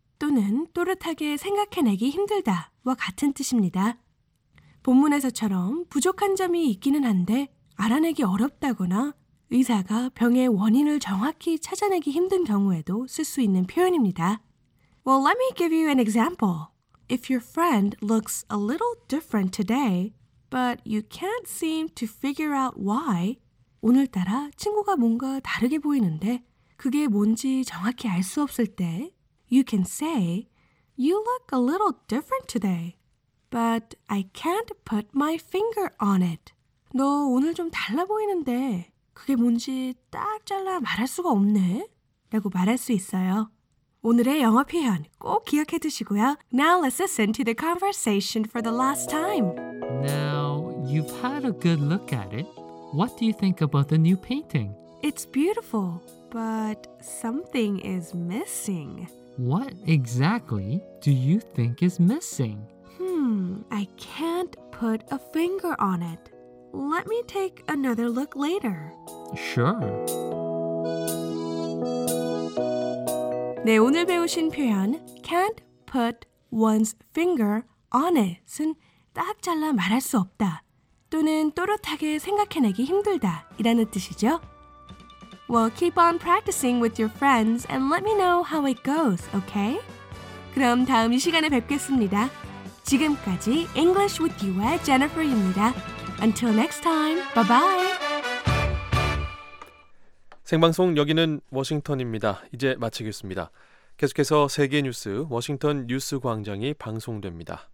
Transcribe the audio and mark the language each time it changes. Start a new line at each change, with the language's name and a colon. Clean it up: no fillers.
Korean: 또는 또렷하게 생각해내기 힘들다와 같은 뜻입니다. 본문에서처럼 부족한 점이 있기는 한데 알아내기 어렵다거나 의사가 병의 원인을 정확히 찾아내기 힘든 경우에도 쓸 수 있는 표현입니다.
English: Well, let me give you an example. If your friend looks a little different today, but you can't seem to figure out why,
Korean: 오늘따라 친구가 뭔가 다르게 보이는데 그게 뭔지 정확히 알 수 없을 때,
English: you can say, you look a little different today, but I can't put my finger on it.
Korean: 너 오늘 좀 달라 보이는데 그게 뭔지 딱 잘라 말할 수가 없네 라고 말할 수 있어요. 오늘의 영어 표현 꼭 기억해 두시고요.
English: Now let's listen to the conversation for the last time. Now, you've had a good look at it. What do you think about the new painting? It's beautiful, but something is missing. What exactly do you think is missing? I can't put a finger on it. Let me take another look later. Sure.
Korean: 네, 오늘 배우신 표현
English: can't put one's finger on it
Korean: 은 딱 잘라 말할 수 없다 또는 또렷하게 생각해내기 힘들다 이라는 뜻이죠.
English: Well, keep on practicing with your friends and let me know how it goes, okay?
Korean: 그럼 다음 이 시간에 뵙겠습니다. 지금까지 English with You의 Jennifer입니다.
English: Until next time, bye-bye!
Korean: 생방송 여기는 워싱턴입니다. 이제 마치겠습니다. 계속해서 세계 뉴스 워싱턴 뉴스 광장이 방송됩니다.